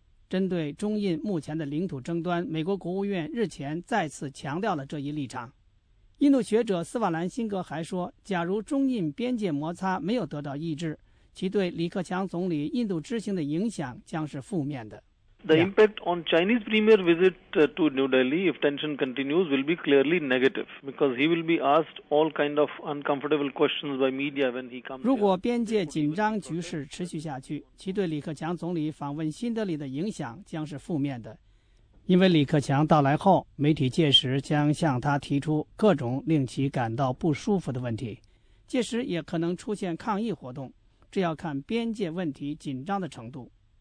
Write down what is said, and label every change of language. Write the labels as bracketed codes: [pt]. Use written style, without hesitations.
[zh] 针对中印目前的领土争端，美国国务院日前再次强调了这一立场。印度学者斯瓦兰辛格还说，假如中印边界摩擦没有得到抑制，其对李克强总理印度之行的影响将是负面的。 [en] The impact on Chinese premier visit to New Delhi, if tension continues, will be clearly negative because he will be asked all kind of uncomfortable questions by media when he comes. [zh] 如果边界紧张局势持续下去，其对李克强总理访问新德里的影响将是负面的，因为李克强到来后，媒体届时将向他提出各种令其感到不舒服的问题，届时也可能出现抗议活动，这要看边界问题紧张的程度。